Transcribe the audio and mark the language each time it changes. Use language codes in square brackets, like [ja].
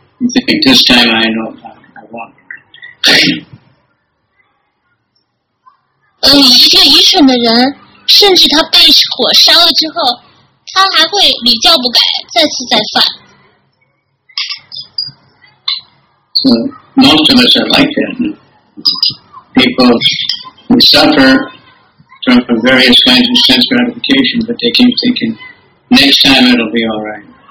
[en] He thinks, this time I know I won't. [zh] 一个愚蠢的人，甚至他被火烧了之后。他还会屡教不改，再次再犯。So [en] most of us are like that. People who suffer from various kinds of sense gratification, but they keep thinking, next time it'll be all right.